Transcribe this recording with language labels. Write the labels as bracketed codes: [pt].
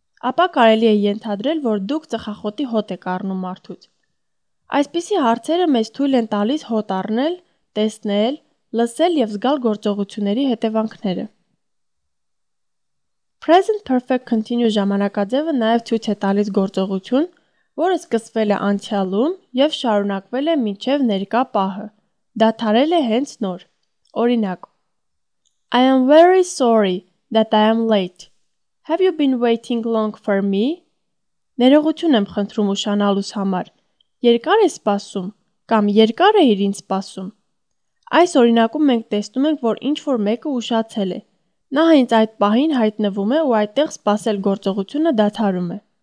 [hy] Ապա կարելի է ենթադրել, որ դուք ծխախոտի հոտ եք առնում մարդուց։ Այսպիսի հարցերը մեզ թույլ են տալիս հոտ առնել, տեսնել, լսել և զգալ գործողությունների հետևանքները։ Present perfect continuous ժամանակաձևը նաև ցույց է տալիս գործողություն, որը սկսվել է անցյալում և շարունակվել է մինչև ներկա պահը։ Դա դադարել է հենց նոր։ Օրինակ. [en] I am very sorry that I am late. Have you been waiting long for me? [hy] Ներողություն եմ խնդրում ուշանալուս համար։ Երկար է սպասում կամ երկար է իրին սպասում։ Այս օրինակում մենք տեսնում ենք, որ ինչ-որ մեկը ուշացել է։ Նա հենց այդ պահին հայտնվում է ու այդտեղ սպասել գործողությունը դադարում է։